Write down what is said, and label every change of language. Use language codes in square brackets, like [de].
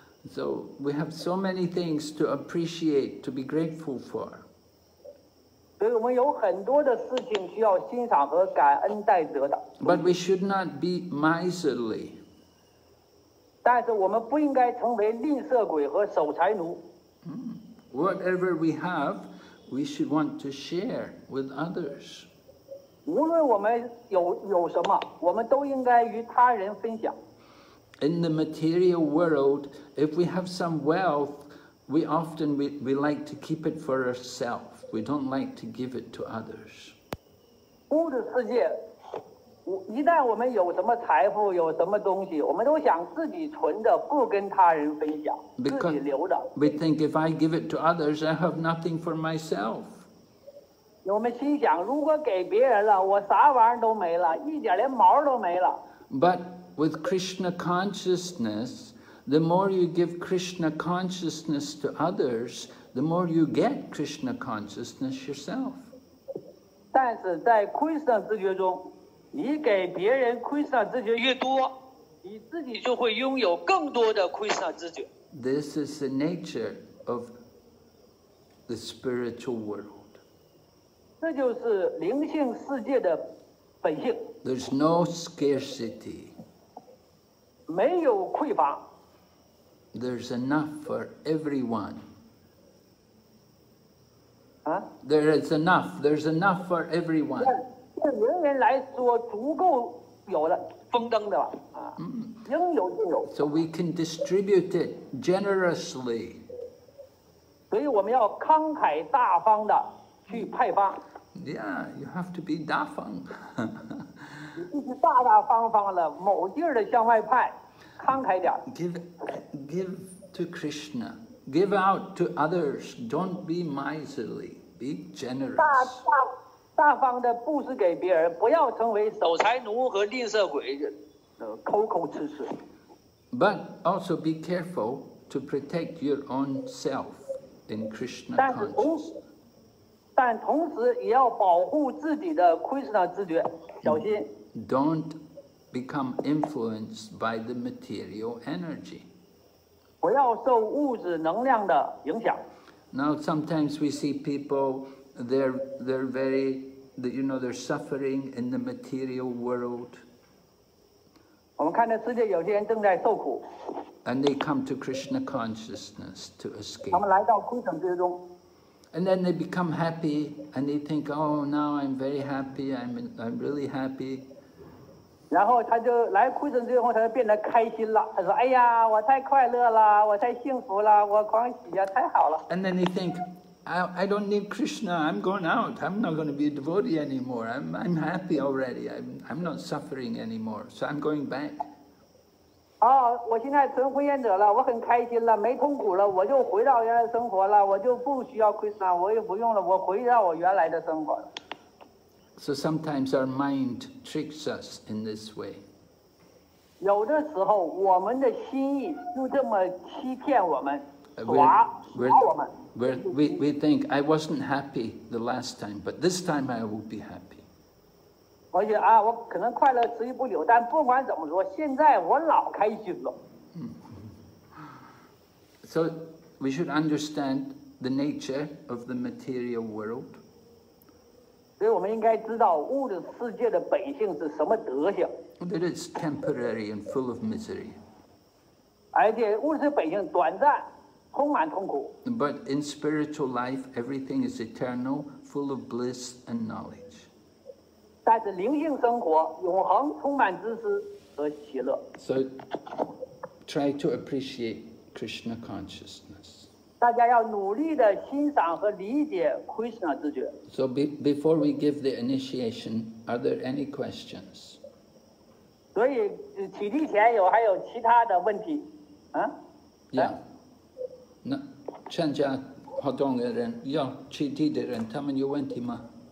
[en] So we have so many things to appreciate, to be grateful for. [zh] 所以我们有很多的事情需要欣赏和感恩戴德的。 [en] But we should not be miserly. [zh] 但是我们不应该成为吝啬鬼和守财奴。 [en] Whatever we have, we should want to share with others. [zh] 无论我们有什么，我们都应该与他人分享。 [en] In the material world, if we have some wealth, we often we like to keep it for ourselves. We don't like to give it to others. [zh] 物质世界。一旦我们有什么财富，有什么东西，我们都想自己存着，不跟他人分享， [en] Because、 [zh] 自己留着。 [en] We think if I give it to others, I have nothing for myself. [zh] 我们心想，如果给别人了，我啥玩意儿都没了，一点连毛都没了。 [en] But with Krishna consciousness, the more you give Krishna consciousness to others, the more you get Krishna consciousness yourself. [zh] 但是在 Krishna 自觉中。你给别人Krishna知觉越多，你自己就会拥有更多的Krishna知觉。 [en] This is the nature of the spiritual world. [zh] 这就是灵性世界的本性。 [en] There's no scarcity. [zh] 没有匮乏。 [en] There's enough for everyone. 啊？ There is enough. There's enough for everyone. [zh] 对人人来说，足够有了丰登的啊，应有尽有。 [en] So we can distribute it generously. [zh] 所以我们要慷慨大方的去派发。 [en] Yeah, you have to be 大方。 [zh] 你必须大大方方的，某地儿的向外派，慷慨点。 [en] Give to Krishna, give out to others. Don't be miserly. Be generous. [zh] 大方的布施给别人，不要成为守财奴和吝啬鬼，抠抠吃吃。 [en] But also be careful to protect your own self in Krishna consciousness. [zh] 但同时也要保护自己的 Krishna 知觉，小心。 [en] Don't become influenced by the material energy. [zh] 不要受物质能量的影响。 [en] Now sometimes we see people, they're suffering in the material world. [zh] 我们看到世界有些人正在受苦。 [en] And they come to Krishna consciousness to escape. [zh] 他们来到空城之中。 [en] And then they become happy, and they think, oh, now I'm very happy, I'm really happy. [zh] 然后他就来空城之后，他就变得开心了。他说，哎呀，我太快乐了，我太幸福了，我狂喜呀，太好了。 [en] And then they think,I don't need Krishna. I'm going out. I'm not going to be a devotee anymore. I'm happy already. I'm not suffering anymore. So I'm going back. [zh] Oh, 我现在成婚愿者了，我很开心了，没痛苦了，我就回到原来生活了，我就不需要 Krishna, 我也不用了，我回到我原来的生活。 [en] So sometimes our mind tricks us in this way. [zh] 有的时候我们的心意就这么欺骗我们，耍我们。 [en] We think, I wasn't happy the last time, but this time I will be happy. [zh] 而且啊，我可能快乐持续不久，但不管怎么说，现在我老开心了。 [en] So we should understand the nature of the material world. [zh] 所以我们应该知道物质世界的本性是什么德性。 [en] That it's temporary and full of misery. [zh] 而且物质本性短暂。 [en] But in spiritual life, everything is eternal, full of bliss and knowledge. [zh] 但是灵性生活永恒充满知识和喜乐。 [en] So try to appreciate Krishna consciousness. [zh] 大家要努力的欣赏和理解 Krishna 知觉。 [en] So before we give the initiation, are there any questions? [zh] 所以起立前有还有其他的问题？ [en] Yeah. [zh] 那参加活动的人要起立的人，他们有问题吗？